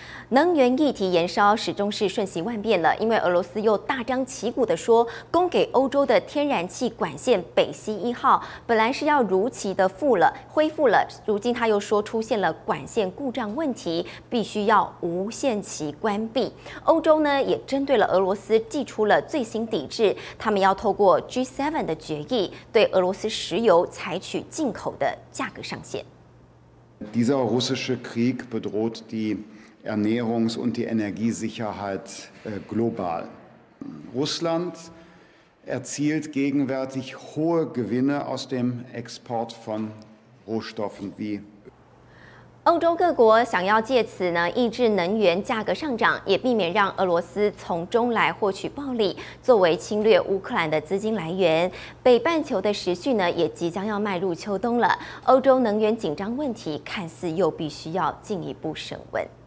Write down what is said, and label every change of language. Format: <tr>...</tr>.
<zh>能源议题延烧始终是瞬息万变了，因为俄罗斯又大张旗鼓地说，供给欧洲的天然气管线北溪一号本来是要如期的恢复了，如今他又说出现了管线故障问题，必须要无限期关闭。欧洲呢也针对了俄罗斯寄出了最新抵制，他们要透过 G7 的决议对俄罗斯石油采取进口的价格上限。</zh> <de>Dieser russische Krieg bedroht die Ernährungs- und die Energiesicherheit global. Russland erzielt gegenwärtig hohe Gewinne aus dem Export von Rohstoffen wie</de> <zh>欧洲各国想要借此呢抑制能源价格上涨，也避免让俄罗斯从中来获取暴利，作为侵略乌克兰的资金来源。北半球的时序呢也即将要迈入秋冬了，欧洲能源紧张问题看似又必须要进一步升温。</zh>